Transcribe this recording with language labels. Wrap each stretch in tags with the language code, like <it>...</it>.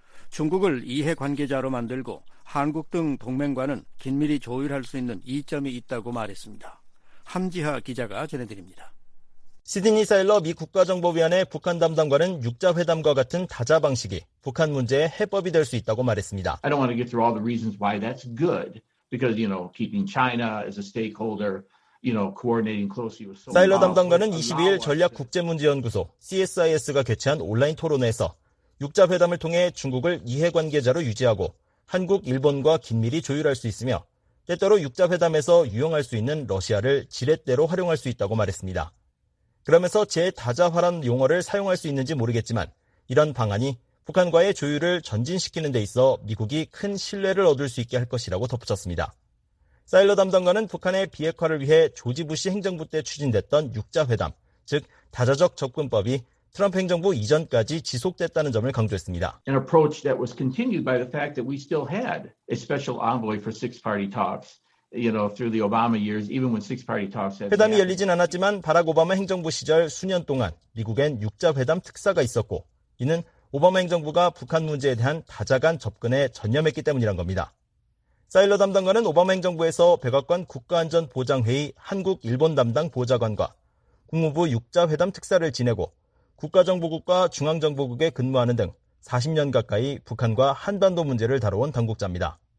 <ko>중국을 이해관계자로 만들고 한국 등 동맹과는 긴밀히 조율할 수 있는 이점이 있다고 말했습니다. 함지하 기자가 전해드립니다. 시드니 사일러 미 국가정보위원회 북한 담당관은 6자회담과 같은 다자 방식이 북한 문제의 해법이 될 수 있다고 말했습니다.</ko> <en>I don't want to get through all the reasons why that's good. Because, you know, keeping China as a stakeholder, you know, coordinating closely with...</en> <ko>사일러 담당관은 22일 전략국제문제연구소 CSIS가 개최한 온라인 토론회에서 6자회담을 통해 중국을 이해관계자로 유지하고 한국, 일본과 긴밀히 조율할 수 있으며 때때로 6자회담에서 유용할 수 있는 러시아를 지렛대로 활용할 수 있다고 말했습니다. 그러면서 제다자화란 용어를 사용할 수 있는지 모르겠지만 이런 방안이 북한과의 조율을 전진시키는 데 있어 미국이 큰 신뢰를 얻을 수 있게 할 것이라고 덧붙였습니다. 사일러 담당관은 북한의 비핵화를 위해 조지 부시 행정부 때 추진됐던 6자회담, 즉 다자적 접근법이 트럼프 행정부 이전까지 지속됐다는 점을 강조했습니다.</ko> <en>An approach that was continued by the fact that we still had a special envoy for six-party talks. You know, through the Obama years, even when six-party talks had</en> <ko>회담이 열리진 않았지만 바락 오바마 행정부 시절 수년 동안 미국엔 6자회담 특사가 있었고 이는 오바마 행정부가 북한 문제에 대한 다자 간 접근에 전념했기 때문이란 겁니다. 사일러 담당관은 오바마 행정부에서 백악관 국가안전보장회의 한국-일본 담당 보좌관과 국무부 6자회담 특사를 지내고 국가정보국과 중앙정보국에 근무하는 등 40년 가까이 북한과 한반도 문제를 다뤄온 당국자입니다.</ko>